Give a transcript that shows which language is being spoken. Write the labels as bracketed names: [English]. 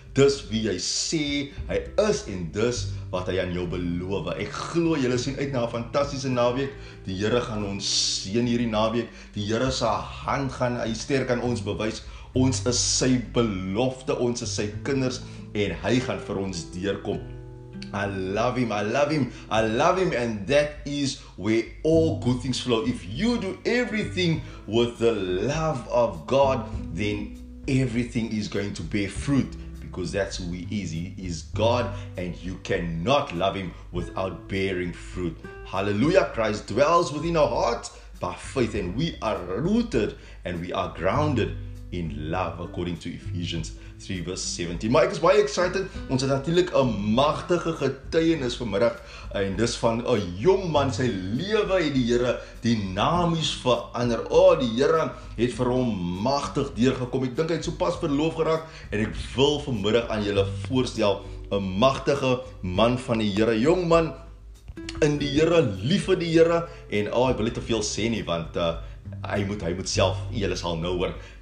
[Afrikaans] Dis wie hy sê hy is en dis wat hy aan jou beloof. Ek glo julle sien uit na 'n fantastiese naweek. Die Here gaan ons seën hierdie naweek. Die Here se hand gaan hy sterk aan ons bewys. Ons is sy belofte, ons is sy kinders en hy gaan vir ons deurkom. [English] I love him, I love him, I love him and that is where all good things flow. If you do everything with the love of God, then everything is going to bear fruit because that's who he is. He is God and you cannot love him without bearing fruit. Hallelujah, Christ dwells within our hearts by faith and we are rooted and we are grounded in love, according to Ephesians 3 verse 17. [Afrikaans] Maar ek is baie excited. Ons het natuurlik 'n magtige getuienis vanmiddag en dis van 'n jong man. Sy lewe het die Here dinamies verander. Die Here het vir hom magtig deurgekom. Ek dink hy het sopas verloof geraak en ek wil vanmiddag aan julle voorstel 'n magtige man van die Here, jong man in die Here, lief vir die Here en ek wil nie te veel sê nie want hy moet self julle sal nou hoor.